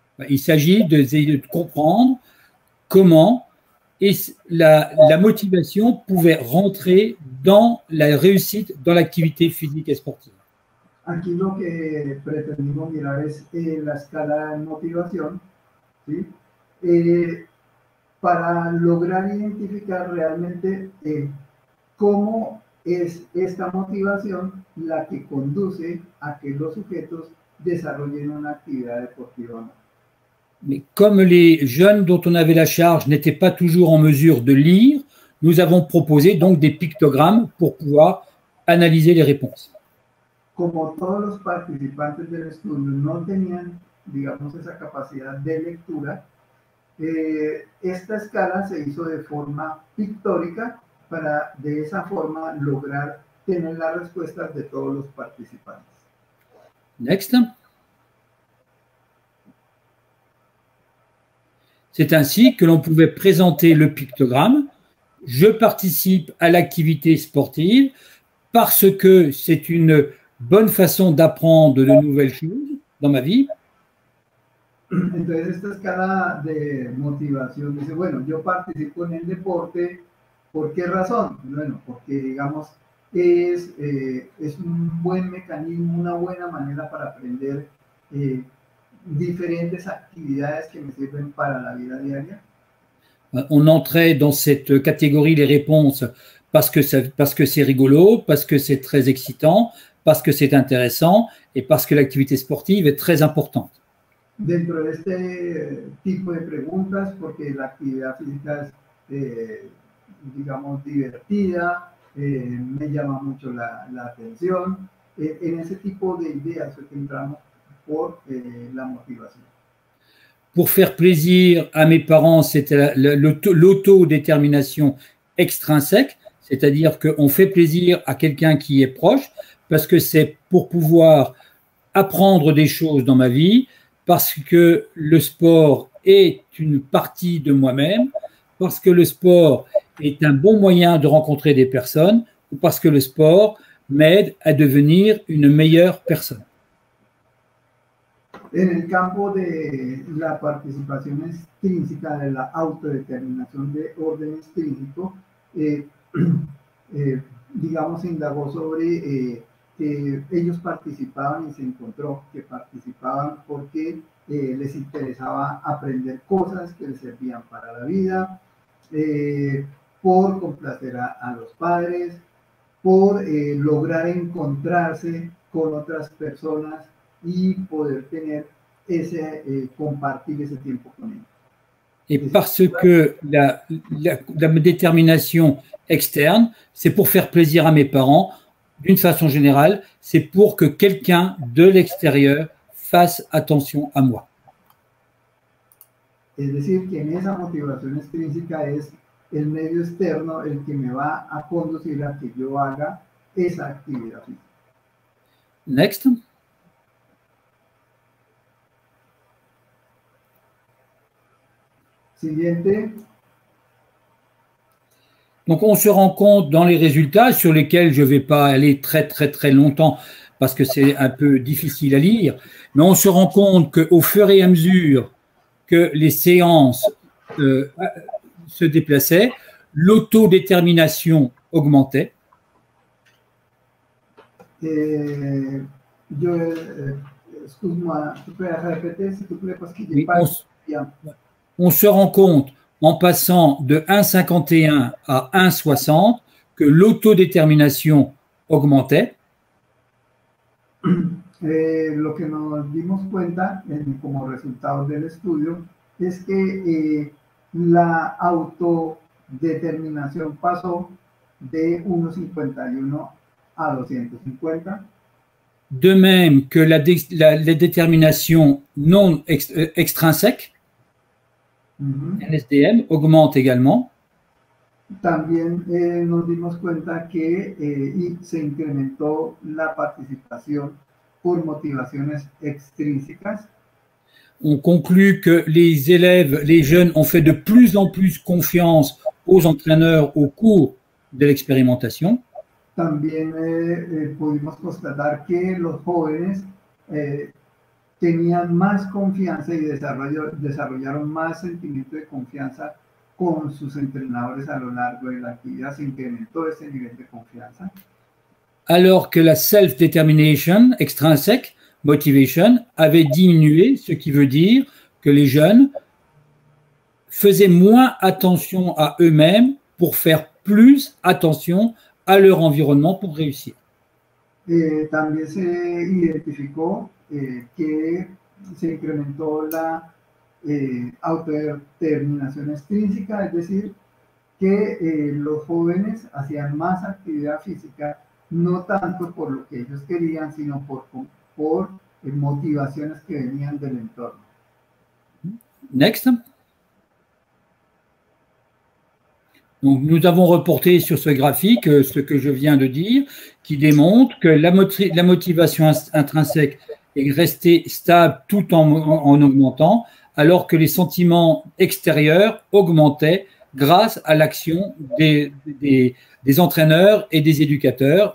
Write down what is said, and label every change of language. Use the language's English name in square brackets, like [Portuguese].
[French] Il s'agit d'essayer de comprendre comment la motivation pouvait rentrer dans la réussite dans l'activité physique et sportive. [Spanish] Aquí lo que pretendimos mirar es la escala de motivación, ¿sí? Para lograr identificar realmente cómo es esta motivación la que conduce a que los sujetos desarrollen una actividad deportiva. [French] Mais comme les jeunes dont on avait la charge n'étaient pas toujours en mesure de lire, nous avons proposé donc des pictogrammes pour pouvoir analyser les réponses. [Spanish] Como todos los participantes del estudio no tenían, digamos, esa capacidad de lectura, esta escala se hizo de forma pictórica para de esa forma lograr tener las respuestas de todos los participantes. [English] Next. [French] C'est ainsi que l'on pouvait présenter le pictogramme. Je participe à l'activité sportive parce que c'est une bonne façon d'apprendre de nouvelles choses dans ma vie. [Spanish] Entonces, esta escala de motivación dice, bueno, yo participo en el deporte, ¿por qué razón? Bueno, porque, digamos, es un buen mecanismo, una buena manera para aprender diferentes actividades que me sirven para la vida diaria. [French] On entrait dans cette catégorie les réponses parce que c'est rigolo, parce que c'est très excitant, parce que c'est intéressant et parce que l'activité sportive est très importante. [Spanish] Dentro de este tipo de preguntas, porque la actividad física es, digamos, divertida, me llama mucho la atención, en ese tipo de ideas que entramos por la motivación. [French] Pour faire plaisir à mes parents, c'était l'autodétermination extrinsèque, c'est-à-dire qu'on fait plaisir à quelqu'un qui est proche, parce que c'est pour pouvoir apprendre des choses dans ma vie, parce que le sport est une partie de moi-même, parce que le sport est un bon moyen de rencontrer des personnes, ou parce que le sport m'aide à devenir une meilleure personne. [Spanish] En el campo de la participación extrínseca, de la autodeterminación de orden extrínseco, digamos, indagó sobre que ellos participaban y se encontró que participaban porque les interesaba aprender cosas que les servían para la vida, por complacer a los padres, por lograr encontrarse con otras personas y poder tener ese, compartir ese tiempo con ellos. [French] Et parce que la détermination externe, c'est pour faire plaisir à mes parents, d'une façon générale, c'est pour que quelqu'un de l'extérieur fasse attention à moi. [Spanish] Es decir, que en esa motivación extrínseca es el medio externo el que me va a conducir a que yo haga esa actividad. [English] Next. [Spanish] Siguiente. [French] Donc on se rend compte dans les résultats sur lesquels je ne vais pas aller très très très longtemps parce que c'est un peu difficile à lire, mais on se rend compte qu'au fur et à mesure que les séances se déplaçaient, l'autodétermination augmentait. Excuse-moi, tu peux répéter s'il te plaît parce qu'il n'y a pas... on se rend compte, en passant de 1,51 à 1,60, que l'autodétermination augmentait. [Spanish] Lo que nos dimos cuenta como resultado del estudio es que la autodeterminación pasó de 1,51 a 250. [French] De même que la détermination non extrinsèque, NSDM, augmente également. [Spanish] También nos dimos cuenta que se incrementó la participación por motivaciones extrínsecas. [French] On conclut que les élèves, les jeunes ont fait de plus en plus confiance aux entraîneurs au cours de l'expérimentation. [Spanish] También pudimos constatar que los jóvenes tenían más confianza y desarrollaron más sentimiento de confianza con sus entrenadores a lo largo de la actividad, se incrementó ese nivel de confianza. [French] Alors que la [English] self-determination, extrinsic motivation, [French] avait diminué, ce qui veut dire que les jeunes faisaient moins attention à eux-mêmes pour faire plus attention à leur environnement pour réussir. [Spanish] También se identificó que se incrementó la autodeterminación extrínseca, es decir, que los jóvenes hacían más actividad física, no tanto por lo que ellos querían, sino por motivaciones que venían del entorno. [English] Next. [French] Donc, nous avons reporté sur ce graphique ce que je viens de dire, qui démontre que la motivation intrinsèque est restée stable tout en augmentant, alors que les sentiments extérieurs augmentaient grâce à l'action des entraîneurs et des éducateurs.